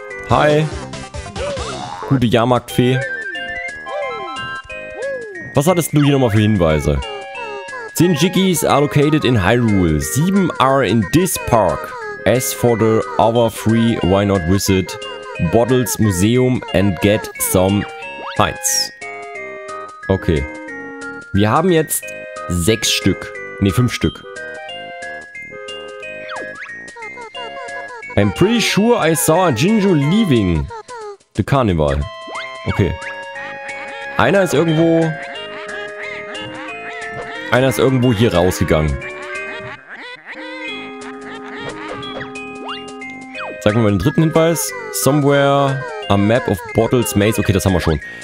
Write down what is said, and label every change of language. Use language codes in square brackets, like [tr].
[de] Hi. Gute Jahrmarktfee. Was hattest du hier nochmal für Hinweise? [en] 10 Jiggies are located in Hyrule. 7 are in this park. As for the other 3, why not visit Bottles Museum and get some Heinz. Okay. [de] Wir haben jetzt 6 Stück. Ne, 5 Stück. [en] I'm pretty sure I saw a Jinjo leaving the carnival. Okay. [de] Einer ist irgendwo hier rausgegangen. Sag mal den dritten Hinweis. [en] Somewhere a map of Bottles Maze. [de] Okay, das haben wir schon.